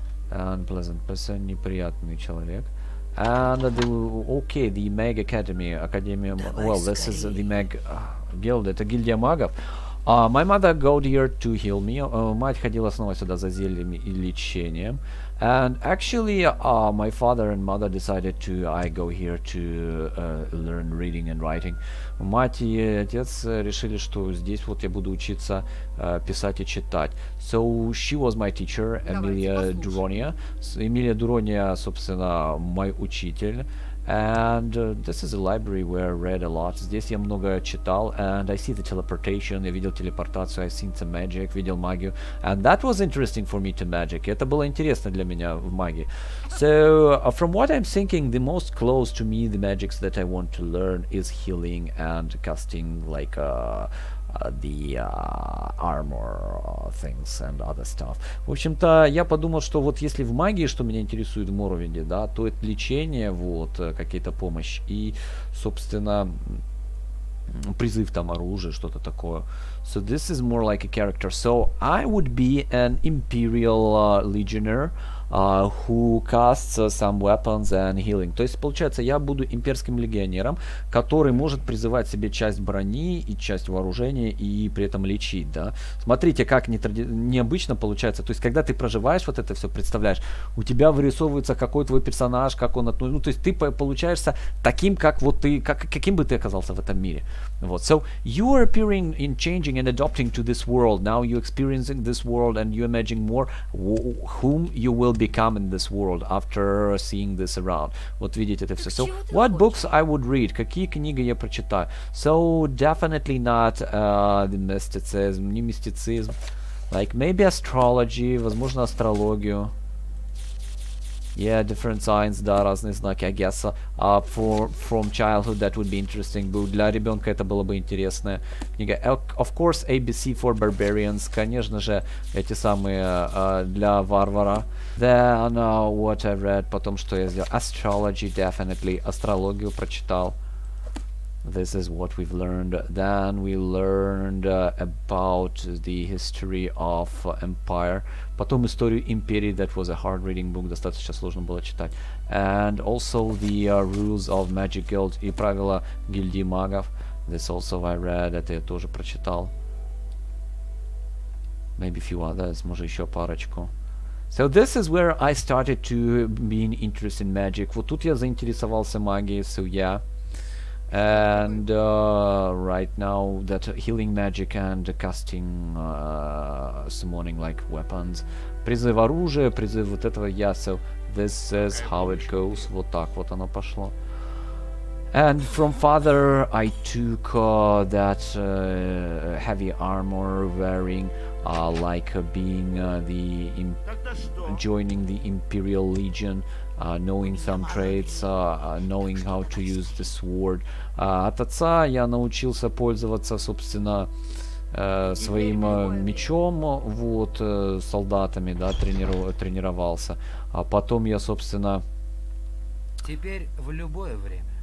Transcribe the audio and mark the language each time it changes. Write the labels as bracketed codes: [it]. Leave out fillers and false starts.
[en] Unpleasant person. [ru] Неприятный человек. [en] And the okay, the Mag Academy. [ru] Академия. [en] Well, this is the Mag Guild. [ru] Это гильдия магов. [en] My mother go here to heal me. [ru] Мать ходила снова сюда за зельями и лечением. [en] And actually, my father and mother decided to I go here to learn reading and writing. [ru] Мать и отец решили, что здесь вот я буду учиться писать и читать. [en] So she was my teacher, Эмилия Дурония. Эмилия Дурония, [ru] собственно, мой учитель. [en] And this is a library where I read a lot. [ru] Здесь я много читал. [en] And I see the teleportation. [ru] Я видел телепортацию. [en] I seen some magic. [ru] Видел магию. [en] And that was interesting for me to magic. [ru] Это было интересно для меня в магии. [en] So from what I'm thinking, the most close to me the magics that I want to learn is healing and casting like the armor things and other stuff. [ru] В общем-то, я подумал, что вот если в магии, что меня интересует в Моровинде, да, то это лечение, вот, какие-то помощь и, собственно, призыв там оружия, что-то такое. [en] So this is more like a character. So I would be an imperial legionnaire who casts some weapons and healing. [ru] То есть получается, я буду имперским легионером, который может призывать себе часть брони и часть вооружения и при этом лечить, да. Смотрите, как необычно получается. То есть когда ты проживаешь вот это все, представляешь, у тебя вырисовывается какой твой персонаж, как он относится. Ну то есть ты получаешься таким, как вот ты, как каким бы ты оказался в этом мире. Вот. [en] So you are appearing in changing and adopting to this world. Now you experiencing this world and you imagine more whom you will become in this world after seeing this around. [ru] Вот видите это все. [en] So what books I would read? [ru] Какие книги я прочитаю? [en] So definitely not the mysticism, [ru] не мистицизм. [en] Like maybe astrology, [ru] возможно астрологию. [en] Yeah, different signs, [ru] да, разные знаки, [en] I guess. From childhood that would be interesting. [ru] But для ребенка это было бы интересная книга. [en] Of course, ABC for barbarians. [ru] Конечно же, эти самые для варвара. [en] Then what I read, [ru] потом что я сделал. [en] Astrology, definitely. [ru] Астрологию прочитал. [en] This is what we've learned. Then we learned about the history of empire. [ru] Потом историю империи. [en] That was a hard reading book. [ru] Достаточно сложно было читать. [en] And also the rules of magic guild. [ru] И правила гильдии магов. [en] This also I read. [ru] Это я тоже прочитал. [en] Maybe a few others. [ru] Может еще парочку. [en] So this is where I started to be interested in magic. [ru] Вот тут я заинтересовался магией. [en] So yeah. And right now that healing magic and casting summoning like weapons. [ru] Призыв оружия, призыв вот этого, я. [en] So this is how it goes. [ru] Вот так вот оно пошло. [en] And from father I took that heavy armor wearing like being the joining the Imperial Legion. Knowing some trades, knowing how to use the sword. [ru] От отца я научился пользоваться, собственно, своим мечом, вот, солдатами, да, тренировался. А потом я, собственно... Теперь в любое время.